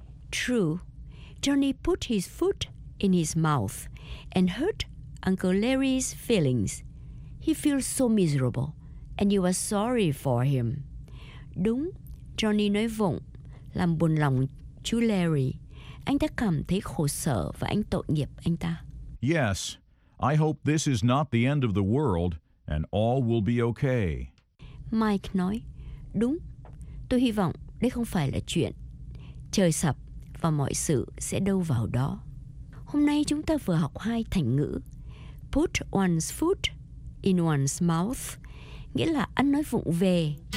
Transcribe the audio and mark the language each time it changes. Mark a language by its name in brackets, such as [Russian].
[English] True, Johnny put his foot in his mouth and hurt Uncle Larry's feelings. He feels so miserable, and you are sorry for him. [Vietnamese] Đúng, Johnny nói vụng, làm buồn lòng chú Larry. Anh ta cảm thấy khổ sở và anh tội nghiệp anh ta. [English] Yes. I hope this is not the end of the world and all will be okay. [Vietnamese] Mike nói, đúng, tôi hy vọng đây không phải là chuyện trời sập và mọi sự sẽ đâu vào đó. Hôm nay chúng ta vừa học 2 thành ngữ. [English] Put one's foot in one's mouth, [Vietnamese] nghĩa là ăn nói vụng về.